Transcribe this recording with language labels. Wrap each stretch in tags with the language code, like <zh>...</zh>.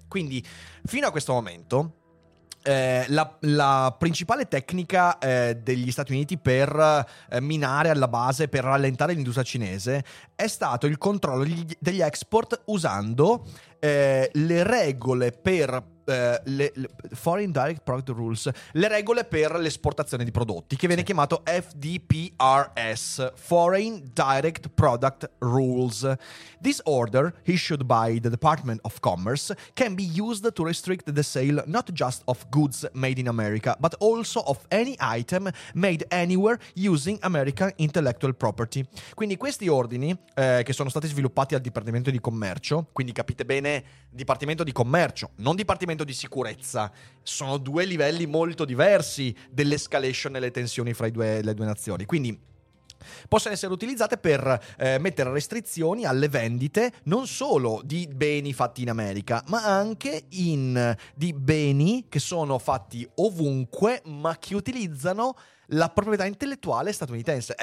<it>Quindi, fino a questo momento, la principale tecnica degli Stati Uniti per minare alla base, per rallentare l'industria cinese, è stato il controllo degli export usando le regole per le foreign direct product rules, le regole per l'esportazione di prodotti, che viene chiamato FDPRS, foreign direct product rules.</it> <en>This order issued by the Department of Commerce can be used to restrict the sale not just of goods made in America but also of any item made anywhere using American intellectual property.</en> <it>Quindi questi ordini che sono stati sviluppati al Dipartimento di Commercio, quindi capite bene, Dipartimento di Commercio, non Dipartimento di Sicurezza, sono due livelli molto diversi dell'escalation e le tensioni fra le due nazioni. Quindi possono essere utilizzate per mettere restrizioni alle vendite non solo di beni fatti in America, ma anche di beni che sono fatti ovunque, ma che utilizzano la proprietà intellettuale statunitense.</it>